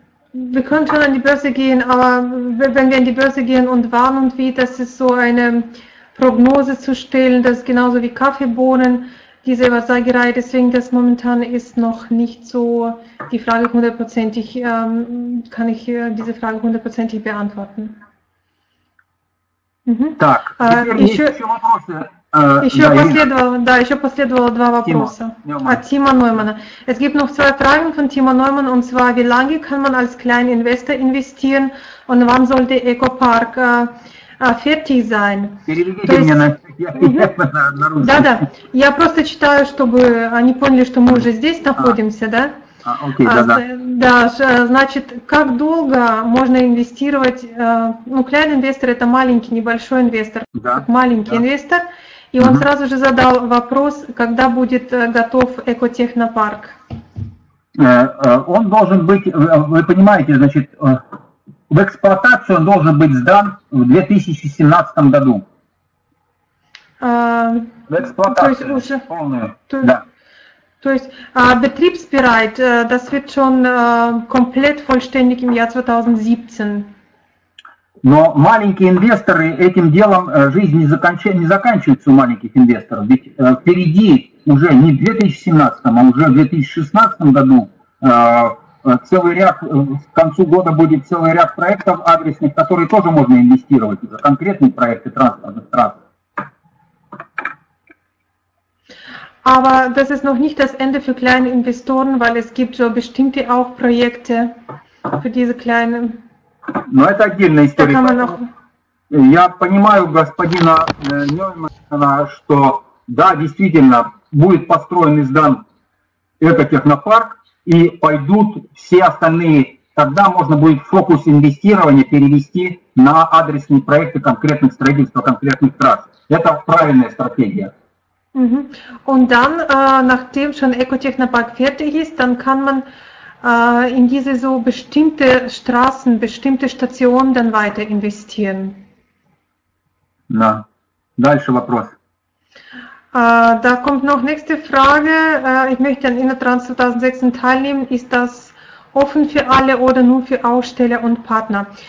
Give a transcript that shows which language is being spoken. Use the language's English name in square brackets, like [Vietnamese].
[German] Wir können schon an die Börse gehen, aber wenn wir an die Börse gehen und wann und wie, das ist so eine Prognose zu stellen, das ist genauso wie Kaffeebohnen, diese Wahrsagerei, deswegen das momentan ist noch nicht so die Frage hundertprozentig, kann ich diese Frage hundertprozentig beantworten. [Russian] Так, еще последовало два вопроса от Тима Неумана. [German] Es gibt noch zwei Fragen von Тима Неумана, und zwar, wie lange kann man als kleiner Investor investieren und wann soll der Ecopark fertig sein? [Russian] Да-да, я просто читаю, чтобы они поняли, что мы уже здесь находимся, да? Значит, как долго можно инвестировать, ну, клиент инвестор это маленький, небольшой инвестор, инвестор, и он сразу же задал вопрос, когда будет готов экотехнопарк. Он должен быть, вы понимаете, значит, в эксплуатацию он должен быть сдан в 2017 году. В эксплуатацию, то есть уже... полную, да. То есть [German] betriebsbereit, das wird schon komplett vollständig im Jahr 2017. [Russian] Но маленькие инвесторы этим делом, жизнь не заканчивается у маленьких инвесторов. Ведь впереди уже не в 2017, а уже в 2016 году целый ряд, к концу года будет целый ряд проектов адресных, которые тоже можно инвестировать за конкретные проекты транспортных трасс. [German] Aber das ist noch nicht das Ende für kleine Investoren, weil es gibt so bestimmte auch Projekte für diese kleinen. [Russian] Но это отдельная история. Я понимаю господина Нёймана, что да, действительно, будет построен и сдан экотехнопарк, и пойдут все остальные. Тогда можно будет фокус инвестирования перевести на адресные проекты конкретных строительства, конкретных трасс. Это правильная стратегия. [German] Und dann, nachdem schon Ecotechnopark fertig ist, dann kann man in diese so bestimmte Straßen, bestimmte Stationen dann weiter investieren. [Russian] Na, дальше вопрос. [German] Da kommt noch nächste Frage. Ich möchte an InnoTrans 2016 teilnehmen. Ist das offen für alle oder nur für Aussteller und Partner?